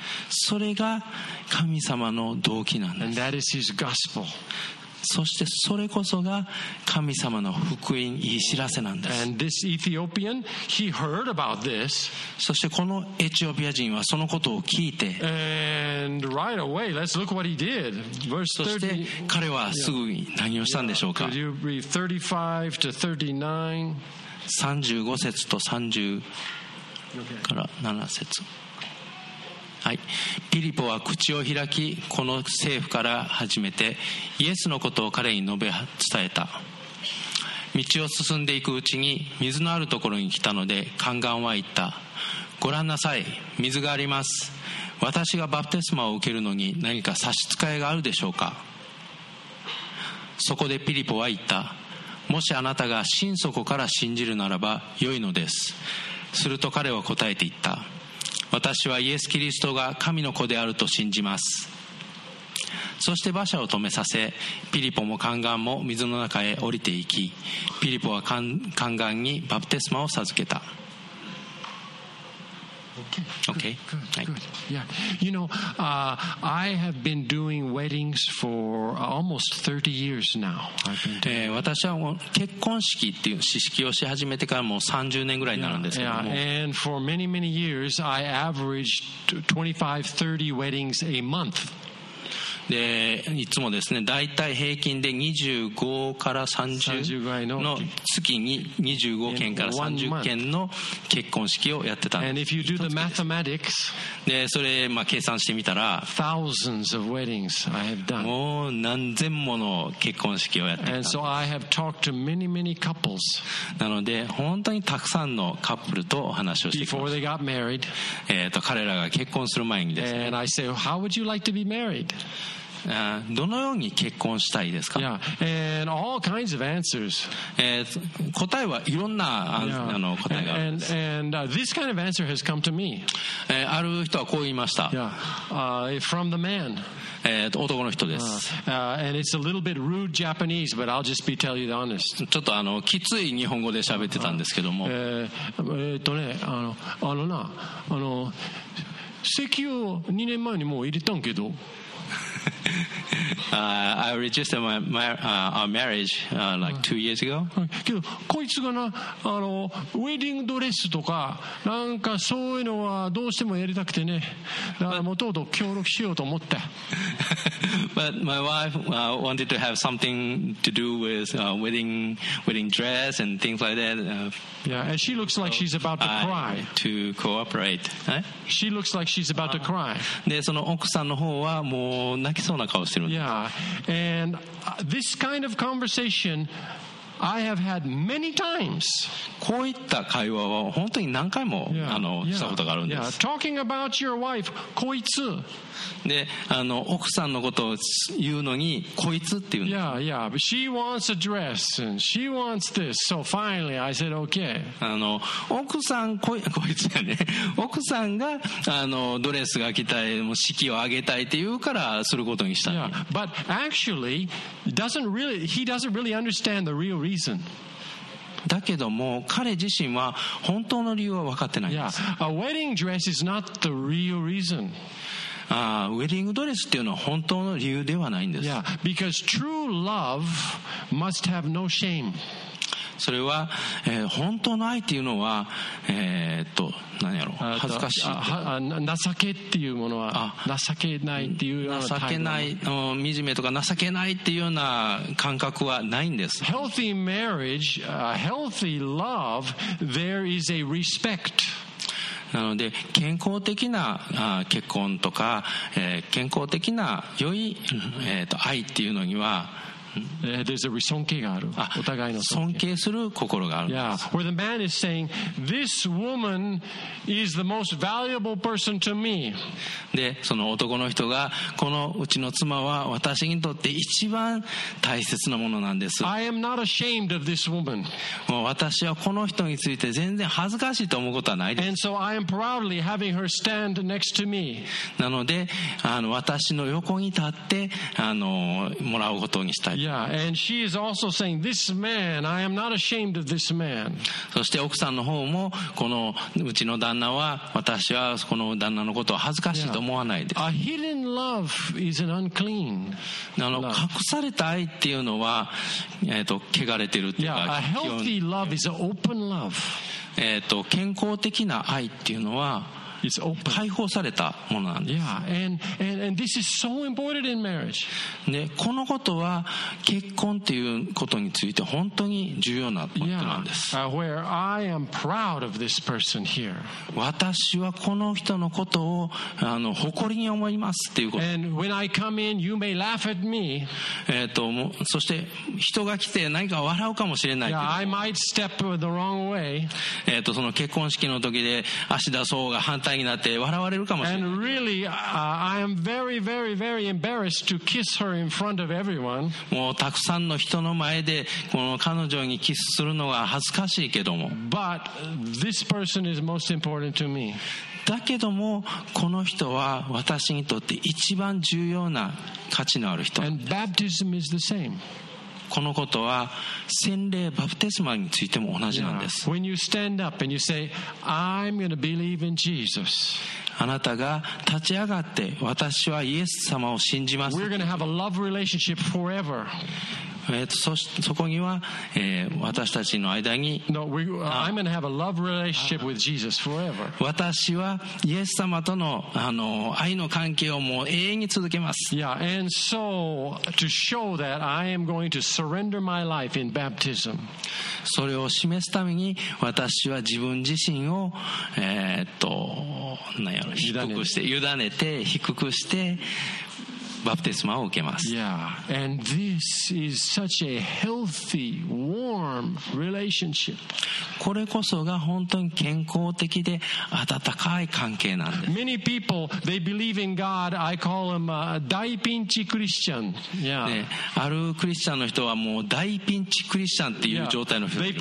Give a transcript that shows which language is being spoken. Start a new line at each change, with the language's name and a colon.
Japanese: それが神様の動機なんです。
English: And that is his gospel.
Japanese: そしてそれこそが神様の福音、言い知らせなんです。
English: And this Ethiopian, he heard about this.
Japanese: そしてこのエチオピア人はそのことを聞いて、
English: And right away, let's look what he did. Verse 30,
Japanese: そして彼はすぐに何をしたんでしょうか。
English: Could you read 35 to 39?
Japanese: 35節と30から7節。はい、ピリポは口を開き、この政府から始めてイエスのことを彼に述べ伝えた。道を進んでいくうちに水のあるところに来たので、宦官は言った。ご覧なさい、水があります。私がバプテスマを受けるのに何か差し支えがあるでしょうか。そこでピリポは言った。もしあなたが心底から信じるならば良いのです。すると彼は答えて言った。私はイエス・キリストが神の子であると信じます。そして馬車を止めさせ、ピリポも宦官も水の中へ降りていき、ピリポは宦官にバプテスマを授けた。
English: Okay. You know, I have been doing weddings for almost 30 years now.
Japanese: 私は結婚式っていう式をし始めてからもう30年ぐらいになるんですけども。
English: Yeah, and for many, many years, I averaged 25-30 weddings a month.
Japanese: でいつもですね、大体平均で25から30の月に25件から30件の結婚式をやってたんです。
English: And if you do the mathematics,
Japanese: でそれ、計算してみたら
English: thousands of weddings I have done.
Japanese: もう何千もの結婚式をやってた。
English: And so I have talked to many, many couples.
Japanese: なので本当にたくさんのカップルとお話をしてきました。
English: Before they got married,
Japanese: 彼らが結婚する前にですね。
English: And I say, how would you like to be married?
Japanese: どのように結婚したいですか？
English: Yeah. And all kinds of answers.
Japanese: 答えはいろんな、
English: yeah.
Japanese: あの答えがあるんです。
English: And this kind of answer has come to me.
Japanese: ある人はこう言いました。
English: Yeah. From the man.
Japanese: 男の人です。
English: And it's a little bit rude Japanese, but I'll just be tell you the honest.
Japanese: ちょっとあのきつい日本語で喋ってたんですけども。ね、あのな、あの石油2年前にもう入れたんけど。
English: I registered our marriage like 2 years ago.
Japanese: けどこいつがな、あのウェディングドレスとかなんかそういうのはどうしてもやりたくてね、だからもうとうとう協力しようと思った。
English: But my wife wanted to have something to do with wedding dress and things like that. Yeah, and she looks like she's about to cry. To cooperate. She looks like she's about to cry.
Japanese: でその奥さんの方はもう泣きそうな顔してるんです。
English: Yeah, and this kind of conversation I have had many times.
Japanese: こういった会話は本当に何回も、
English: yeah.
Japanese: あのしたことがあるんです。
English: Yeah. Talking about your wife,
Japanese: こいつ。で、あの奥さんのことを言うのにこいつって言うんです。
English: Yeah, yeah. But she wants a dress and she wants this. So finally, I said, okay.
Japanese: あの奥さんこいつやね。奥さんがあのドレスが着たい、もう式を挙げたいって言うからすることにしたんです。
English: Yeah. But actually, he doesn't really understand the real reason.
Japanese: だけども彼自身は本当の理由は分かってないんです。
English: Yeah. A wedding dress is not the real reason.
Japanese: ウェディングドレスっていうのは本当の理由ではないんです。
English: Yeah. Because true love must have no shame.
Japanese: それは、本当の愛っていうのは、何やろう、恥ずかしい、情けっていうものは情けないっていうような態度、情けない、惨めとか情けないっていうような感覚はないんです。
English: Healthy marriage, healthy love, there is a respect.
Japanese: なので健康的な結婚とか、健康的な良い、愛っていうのには
English: There's a
Japanese: 尊敬がある。あ、お互いの尊敬。尊敬する心があるんです。
English: Yeah, where the man is saying, "This woman is the most valuable person to me."
Japanese: で、その男の人がこのうちの妻は私にとって一番大切なものなんです。
English: I am not ashamed of this woman.
Japanese: もう私はこの人について全然恥ずかしいと思うことはないです。
English: And so I am proudly having her stand next to me.
Japanese: なので、あの私の横に立ってあのもらうことにした。
English: Yeah, and she is also saying, "This man, I am not ashamed of this man."
Japanese: そして奥さんの方もこのうちの旦那は私はこの旦那のことを恥ずかしいと思わないです。
English: A hidden love is an unclean.
Japanese: あの隠された愛っていうのは汚れてるっていうか。
English: Yeah, a healthy love is an open love.
Japanese: 健康的な愛っていうのは。
English: It's open.
Japanese: 解放されたものなんです。
English: Yeah, and this is so important in marriage.
Japanese: ね、このことは結婚っていうことについて本当に重要なポイントなんです。
English: Yeah, where I am proud of this person here.
Japanese: 私はこの人のことをあの誇りに思いますっていうこと。
English: And when I come in, you may laugh at me.
Japanese: そして人が来て何か笑うかもしれないけど。
English: Yeah, I might step the wrong way.
Japanese: その結婚式の時で足出そうが反対になって笑われるかもしれない。
English: really, I am very, very, very embarrassed to kiss her in front of everyone.
Japanese: もうたくさんの人の前でこの彼女にキスするのは恥ずかしいけども。
English: But this person is most important to me.
Japanese: だけどもこの人は私にとって一番重要な価値のある人。
English: And baptism is the same.
Japanese: このことは洗礼バプテスマについても同じなんです。
English: Yeah. When you stand up and you say, "I'm going to believe in Jesus."
Japanese: あなたが立ち上がって私はイエス様を信じます。
English: We're going to have a love relationship forever.
Japanese: そこには、私たちの間に
English: No, I'm going to have a love relationship with Jesus forever.
Japanese: 私はイエス様とのあの愛の関係をもう永遠に続けます。
English: Yeah, and so to show that I am going to surrender my life in baptism.
Japanese: それを示すために私は自分自身を何やろ、委ねて低くしてバプテスマを受けます。
English: Yeah. And this is such a healthy, warm warm relationship.
Japanese: これこそが本当に健康的で温かい関係なんです。
English: Many people, they believe in God. I call them a
Japanese: 大ピンチクリスチャン。
English: Yeah.
Japanese: ね、あるクリスチャンの人はもう大ピンチクリスチャンっていう状態の人です。
English: Yeah.